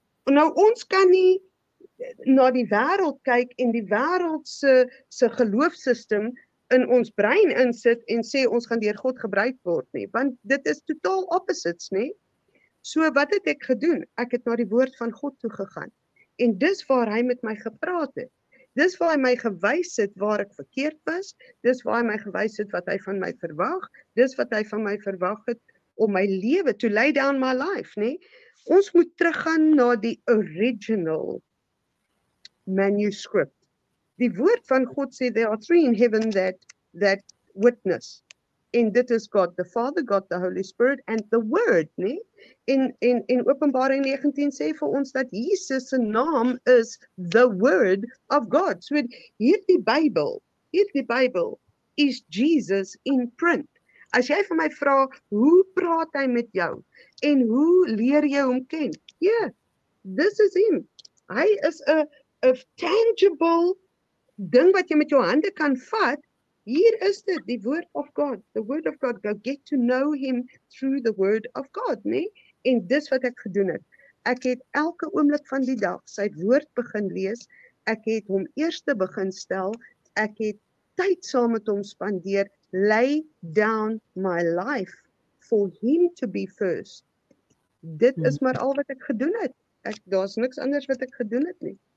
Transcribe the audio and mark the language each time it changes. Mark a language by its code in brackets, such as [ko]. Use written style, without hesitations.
[af] Nou ons kan nie na die wêreld kyk en die wêreld se geloofssisteem in ons brein insit en sê ons gaan deur God gebruik word nie, want dit is totaal opposites, nie? So wat het ek gedoen? Ek het na die woord van God toe gegaan. En dis waar hy met my gepraat het. Dis waar hy my gewys het waar ek verkeerd was. Dis waar hy my gewys het wat hy van my verwag. Dis wat hy van my verwag het om my lewe to lay down my life, nie? Ons moet teruggaan na die original manuscript. [en] Die woord van God sê, there are three in heaven that witness. En dit is God the Father, God the Holy Spirit and the Word, nie? [af] In Openbaring 19 sê vir ons dat Jesus se naam is the Word of God. So hierdie Bybel is Jesus in print. As jy vir my vra, hoe praat hy met jou? En hoe leer jy hom ken? Yeah, this is him. Hy is a tangible ding wat jy met jou hande kan vat. Hier is dit, die woord of God. [en] The word of God, go get to know him through the word of God, nee? [af] En dis wat ek gedoen het. Ek het elke oomblik van die dag sy woord begin lees. Ek het hom eerste begin stel. Ek het tyd saam met hom spandeer. [en] Lay down my life for him to be first. [af] Dit is maar al wat ek gedoen het. Daar's niks anders wat ek gedoen het nie.